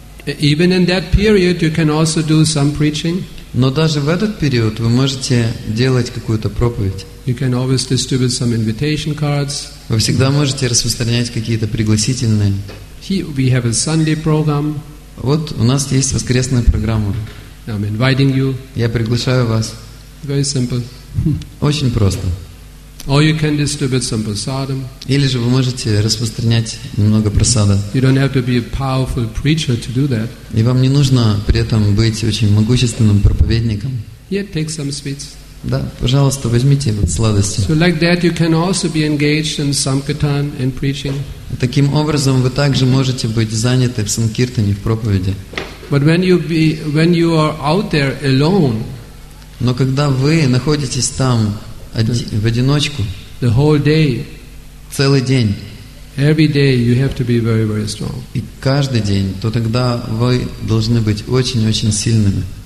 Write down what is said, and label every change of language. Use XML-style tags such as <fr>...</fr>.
<en>Even in that period, you can also do some preaching.</en> <ru>Но даже в этот период вы можете делать какую-то проповедь.</ru> <en>You can always distribute some invitation cards.</en> <ru>Вы всегда можете распространять какие-то пригласительные.</ru> <en>We have a Sunday program.</en> <ru>Вот у нас есть воскресная программа.</ru> <en>I'm inviting you.</en> <ru>Я приглашаю вас.</ru> <en>Very simple.</en> <ru>Очень просто.</ru> <en>Or you can distribute some prasadam.</en> <ru>Или же вы можете распространять немного прасада.</ru> <en>You don't have to be a powerful preacher to do that.</en> <ru>И вам не нужно при этом быть очень могущественным проповедником.</ru> <en>Yeah, take some sweets.</en> <ru>Да, пожалуйста, возьмите вот сладости.</ru> <en>So like that you can also be engaged in sankirtan and preaching.</en> <ru>Таким образом вы также можете быть заняты в санкиртане, в проповеди.</ru> <en>But when you are out there alone.</en> <ru>Но когда вы находитесь там в одиночку.</ru> <en>The whole day.</en> <ru>Целый день.</ru> <en>Every day you have to be very, very strong.</en> <ru>И каждый день, то тогда вы должны быть очень-очень сильными.</ru>